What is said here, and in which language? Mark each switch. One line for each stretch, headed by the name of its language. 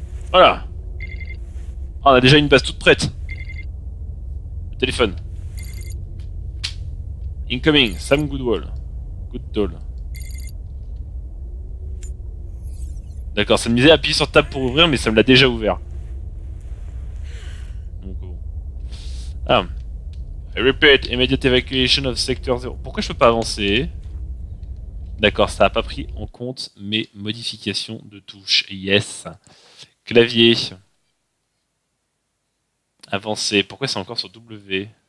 French: Voilà. Oh, on a déjà une base toute prête. Le téléphone.
English: Incoming, Sam Goodwall. Goodwall.
French: D'accord, ça me disait appuyer sur table pour ouvrir, mais ça me l'a déjà ouvert. Donc bon. Ah.
English: I repeat, immediate evacuation of sector 0.
French: Pourquoi je peux pas avancer? D'accord, ça a pas pris en compte mes modifications de touches. Yes. Clavier. Avancer. Pourquoi c'est encore sur W?